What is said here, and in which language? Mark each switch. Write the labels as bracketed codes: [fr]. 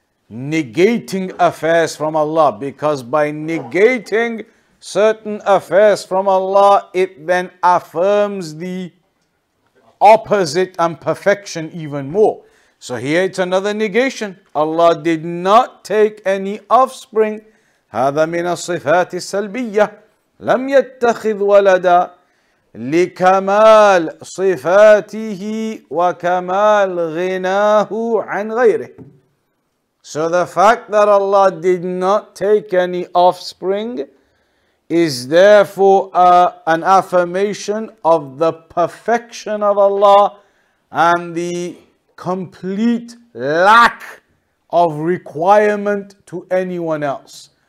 [en] Negating affairs from Allah. Because by negating certain affairs from Allah, it then affirms the opposite and perfection even more. So here it's another negation. Allah did not take any offspring. [ar] هذا من الصفات السلبية. لم يتخذ ولدا لكمال صفاته وكمال غناه عن غيره. [en] So the fact that Allah did not take any offspring is therefore an affirmation of the perfection of Allah and the complete lack of requirement to anyone else.